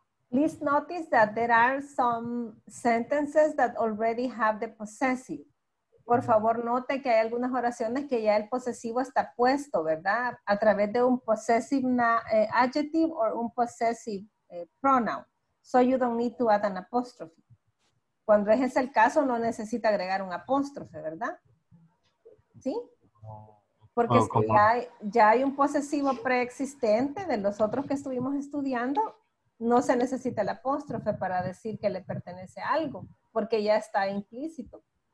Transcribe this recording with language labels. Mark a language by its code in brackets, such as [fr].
[en] Please notice that there are some sentences that already have the possessive. [es] Por favor, note que hay algunas oraciones que ya el posesivo está puesto, ¿verdad? A través de un possessive adjective o un possessive pronoun. [en] So you don't need to add an apostrophe. [es] Cuando ese es el caso, no necesita agregar un apóstrofe, ¿verdad? ¿Sí? Porque oh, es que ya hay un posesivo preexistente de los otros que estuvimos estudiando. No se necesita el apóstrofe para decir que le pertenece a algo, porque ya está implícito.